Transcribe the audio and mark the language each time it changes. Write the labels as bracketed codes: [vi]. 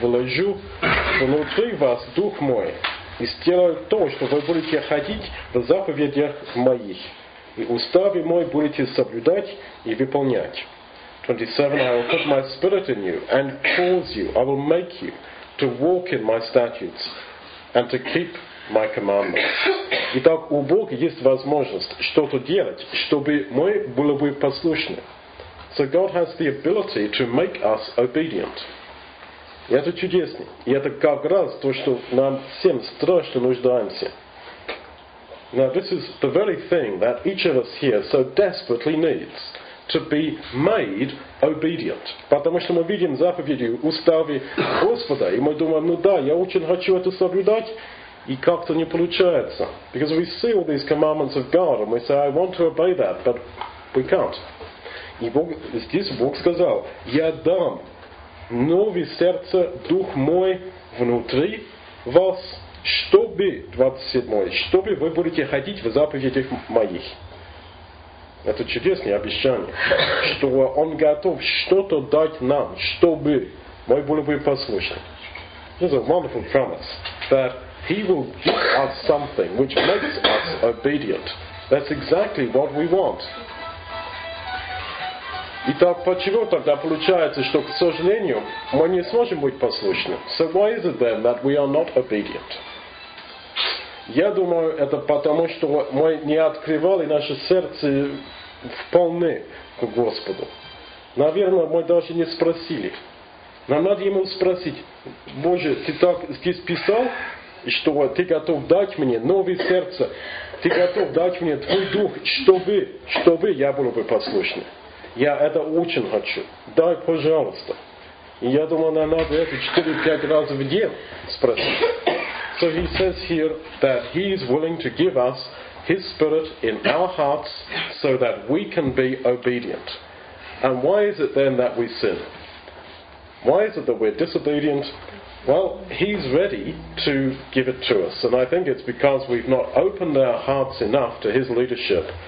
[ru] Вложу внутри вас дух мой и сделаю то, что вы будете ходить в заповедях моих. И уставы мои будете соблюдать и выполнять. 27. [en] I will put my spirit in you and cause you, I will make you to walk in my statutes and to keep my commandments. [ru] Итак, у Бога есть возможность что-то делать, чтобы мы были бы послушны. [en] So God has the ability to make us obedient. [ru] И это чудесно. И это как раз то, что нам всем страшно нуждаемся. [en] Now this is the very thing that each of us here so desperately needs, to be made obedient. [ru] Потому что мы видим заповеди, уставы Господа, и мы думаем, ну да, я очень хочу это соблюдать, и как-то не получается. [en] Because we see all these commandments of God, and we say, I want to obey that, but we can't. [ru] И Бог, здесь Бог сказал, я дам нови сердца, дух мой внутри вас, чтобы, 27, чтобы вы будете ходить в заповедях моих. Это чудесное обещание, что он готов что-то дать нам, чтобы мы были бы послушны. [en] This is a wonderful promise that he will give us something which makes us obedient. That's exactly what we want. [ru] Итак, почему тогда получается, что, к сожалению, мы не сможем быть послушны? [en] So why is it then that we are not obedient? [ru] Я думаю, это потому, что мы не открывали наше сердце вполне к Господу. Наверное, мы даже не спросили. Нам надо ему спросить: Боже, ты так здесь писал, что ты готов дать мне новое сердце, ты готов дать мне твой дух, чтобы я был бы послушным. Я это очень хочу. Дай, пожалуйста. И я думаю, нам надо это 4-5 раз в день спросить. [en] So he says here that he is willing to give us his spirit in our hearts so that we can be obedient. And why is it then that we sin? Why is it that we're disobedient? Well, he's ready to give it to us. And I think it's because we've not opened our hearts enough to his leadership.